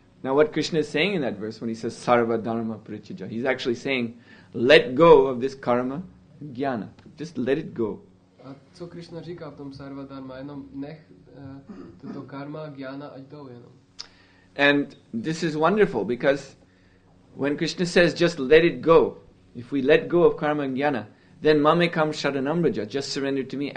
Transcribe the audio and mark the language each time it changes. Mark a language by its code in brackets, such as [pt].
[en] Now what Krishna is saying in that verse when he says [sa] Sarva Dharma Parityaja, [en] he's actually saying let go of this karma and jnana. Just let it go. [cs] A co Krishna říká v tom Sarva Dharma, jenom nech toto karma jnana ať jdou jenom. [en] And this is wonderful because when Krishna says just let it go, if we let go of karma and jnana, then [sa] mame kam sharanam braja, [en] just surrender to me.